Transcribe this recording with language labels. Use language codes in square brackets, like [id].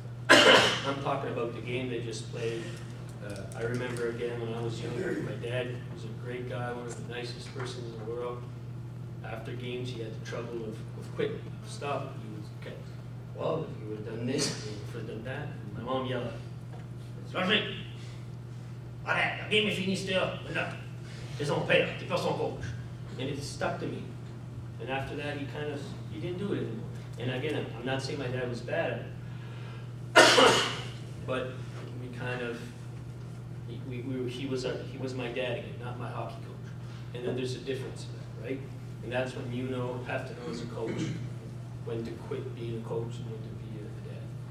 [en] Or I'm talking about the game they just played. I remember again when I was younger, my dad was a great guy, one of the nicest persons in the world. After games, he had the trouble of quitting, of stopping. He was, okay, well, if you would have done this, if you would have done that. And my mom yelled, [fr] Serge, la game est finie, c'est là. C'est son père, c'est pas son coach. [en] And it stuck to me. And after that, he didn't do it anymore. And again, I'm not saying my dad was bad, but we kind of, he was my dad again, not my hockey coach. And then there's a difference, right? And that's when you know, have to know as a coach, when to quit being a coach and when to be a dad.